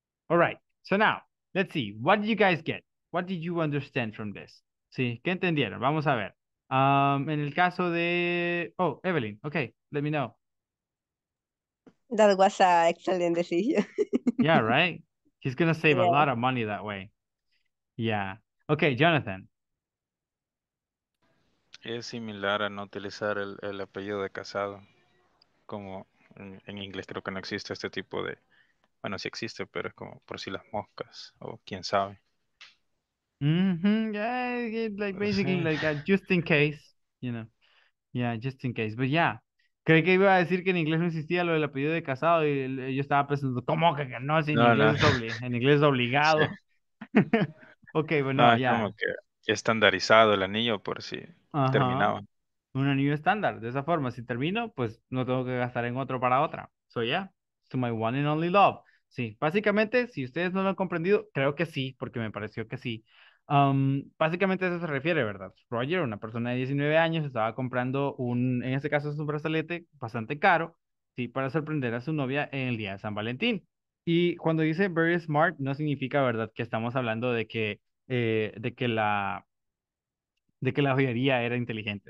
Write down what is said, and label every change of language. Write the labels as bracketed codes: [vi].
[en] All right, so now, let's see. What did you guys get? What did you understand from this? [es] Sí, ¿qué entendieron? Vamos a ver. En el caso de... Oh, Evelyn, okay, [en] let me know. That was an excellent decision. Yeah, right? He's going to save a lot of money that way. Yeah. Okay, Jonathan. [es] Es similar a no utilizar el apellido de casado. Como en inglés creo que no existe este tipo de... Bueno, sí existe, pero es como por si las moscas o quién sabe. Mm-hmm. [en] Yeah, like basically like just in case, you know. Yeah, just in case. But yeah, [es] creí que iba a decir que en inglés no existía lo del apellido de casado y yo estaba pensando, ¿cómo que no? Si en inglés es obligado. Sí. [en] Okay, but no, yeah. [es] Como que estandarizado el anillo por si terminaba. Un anillo estándar, de esa forma. Si termino, pues no tengo que gastar en otro para otra. [en] So yeah, it's to my one and only love. [es] Sí, básicamente, si ustedes no lo han comprendido, creo que sí, porque me pareció que sí. Básicamente a eso se refiere, ¿verdad? Roger, una persona de 19 años, estaba comprando un, en este caso es un brazalete bastante caro, sí, para sorprender a su novia en el día de San Valentín. Y cuando dice very smart, no significa, ¿verdad?, que estamos hablando de que la joyería era inteligente.